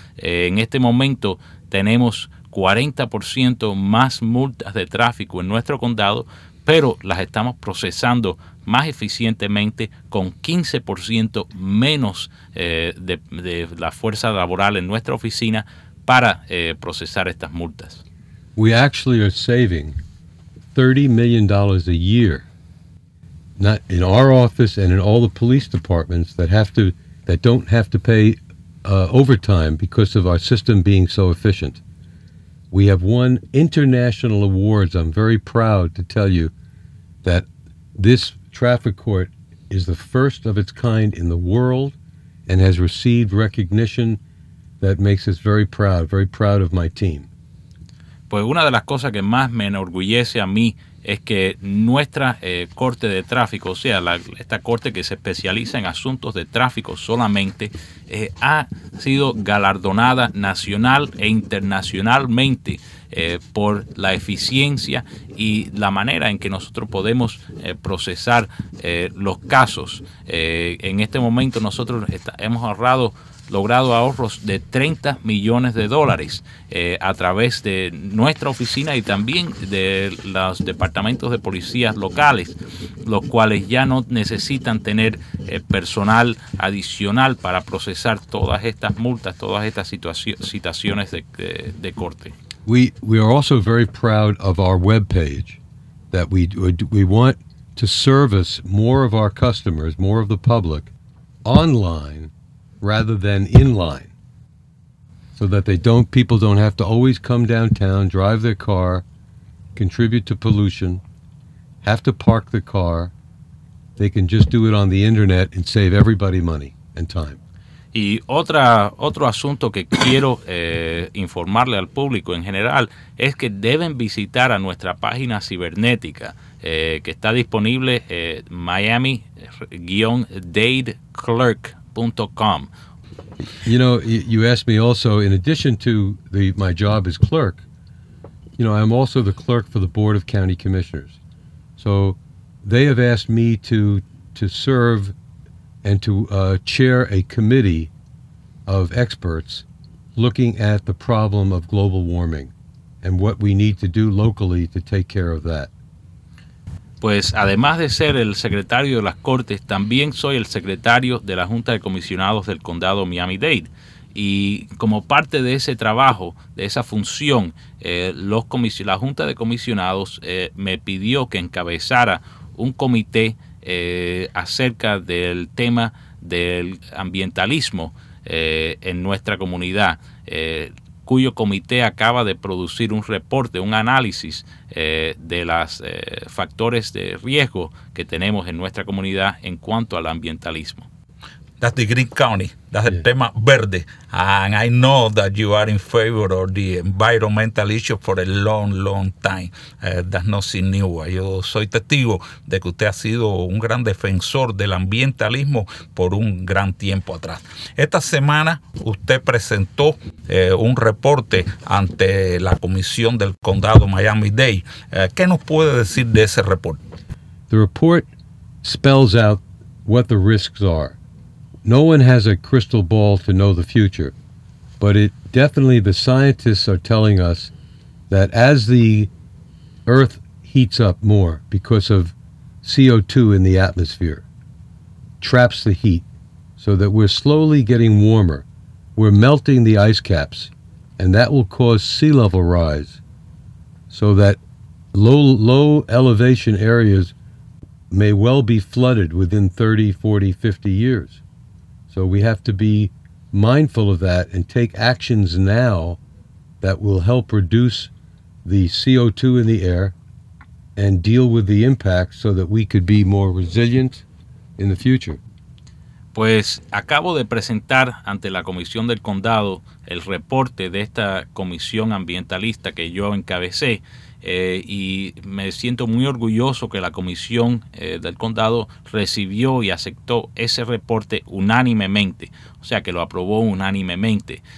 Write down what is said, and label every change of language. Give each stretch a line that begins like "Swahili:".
Spanish: En este momento tenemos 40% más multas de tráfico en nuestro condado, pero las estamos procesando más eficientemente con 15% menos de la fuerza laboral en nuestra oficina para procesar estas multas.
English: We actually are saving $30 million a year, not in our office and in all the police departments that don't have to pay overtime because of our system being so efficient. We have won international awards. I'm very proud to tell you that this traffic court is the first of its kind in the world and has received recognition that makes us very proud of my team.
Spanish: Pues una de las cosas que más me enorgullece a mí es que nuestra corte de tráfico, o sea, esta corte que se especializa en asuntos de tráfico solamente, ha sido galardonada nacional e internacionalmente por la eficiencia y la manera en que nosotros podemos procesar los casos. En este momento nosotros hemos ahorrado logrado ahorros de $30 millones a través de nuestra oficina y también de los departamentos de policías locales, los cuales ya no necesitan tener personal adicional para procesar todas estas multas, todas estas citaciones de corte.
English: We are also very proud of our web page, that we want to service more of our customers, more of the public, online rather than in line, so that people don't have to always come downtown, drive their car, contribute to pollution, have to park the car. They can just do it on the internet and save everybody money and time.
Spanish: Y otro asunto que quiero informarle al público en general es que deben visitar a nuestra página cibernética que está disponible miami-dadeclerk.com.
English: You know, you asked me also, in addition to my job as clerk, you know, I'm also the clerk for the Board of County Commissioners. So they have asked me to serve and to chair a committee of experts looking at the problem of global warming and what we need to do locally to take care of that.
Spanish: Pues además de ser el secretario de las Cortes, también soy el secretario de la Junta de Comisionados del Condado Miami-Dade. Y como parte de ese trabajo, de esa función, la Junta de Comisionados me pidió que encabezara un comité acerca del tema del ambientalismo en nuestra comunidad, cuyo comité acaba de producir un reporte, un análisis de los factores de riesgo que tenemos en nuestra comunidad en cuanto al ambientalismo.
English: That's the green county. That's the
Spanish: tema verde.
English: And I know that you are in favor of the environmental issue for a long, long time. That's nothing new.
Spanish: Yo soy testigo de que usted ha sido un gran defensor del ambientalismo por un gran tiempo atrás. Esta semana usted presentó un reporte ante la Comisión del Condado Miami-Dade. ¿Qué nos puede decir de ese reporte?
English: The report spells out what the risks are. No one has a crystal ball to know the future, but it definitely the scientists are telling us that as the Earth heats up more because of CO2 in the atmosphere, traps the heat, so that we're slowly getting warmer. We're melting the ice caps, and that will cause sea level rise, so that low elevation areas may well be flooded within 30, 40, 50 years. So we have to be mindful of that and take actions now that will help reduce the CO2 in the air and deal with the impact so that we could be more resilient in the future.
Spanish: Pues acabo de presentar ante la Comisión del Condado el reporte de esta comisión ambientalista que yo encabecé. Y me siento muy orgulloso que la Comisión del Condado recibió y aceptó ese reporte unánimemente, o sea que lo aprobó unánimemente.